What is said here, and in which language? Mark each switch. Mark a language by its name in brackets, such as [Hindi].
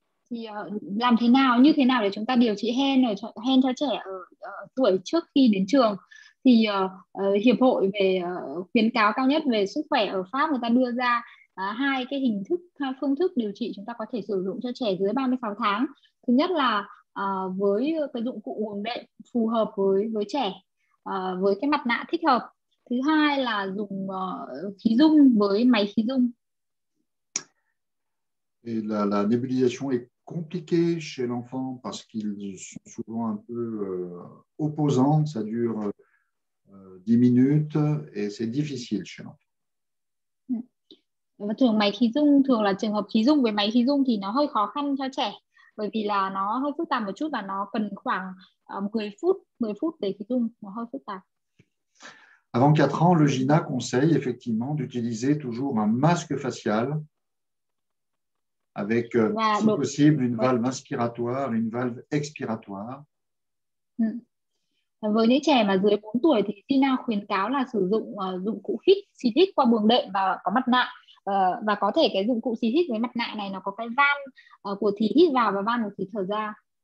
[Vietnamese] Thì làm thế nào, như thế nào để chúng ta điều trị hen cho trẻ ở tuổi trước khi đến trường, thì hiệp hội về khuyến cáo cao nhất về sức khỏe ở Pháp, người ta đưa ra hai cái hình thức, hai phương thức điều trị chúng ta có thể sử dụng cho trẻ dưới 36 tháng. Thứ nhất là với cái dụng cụ uống đệm phù hợp với trẻ, với cái mặt nạ thích hợp. Thứ hai là dùng khí dung với máy khí dung. [French] Et la nébulisation est compliquée chez l'enfant parce qu'ils sont souvent un peu opposants. Ça dure 10 minutes et c'est difficile chez l'enfant. [Vietnamese] Và thường máy khí dung, thường là trường hợp khí dung với máy khí dung thì nó hơi khó khăn cho trẻ, bởi vì là nó hơi phức tạp một chút và nó cần khoảng 10 phút để khí dung, nó hơi phức tạp. [French] Avant 4 ans, le GINA conseille effectivement d'utiliser toujours un masque facial, avec, [Vietnamese] Và [French] si possible, une valve inspiratoire, une valve expiratoire. [Vietnamese] Với những trẻ mà dưới 4 tuổi thì GINA khuyến cáo là sử dụng dụng cụ hít, xịt hít qua buồng đệm và có mặt nạ. Và có thể cái dụng cụ xịt hít với mặt nạ này nó có cái van của khí hít vào và van của khí thở ra.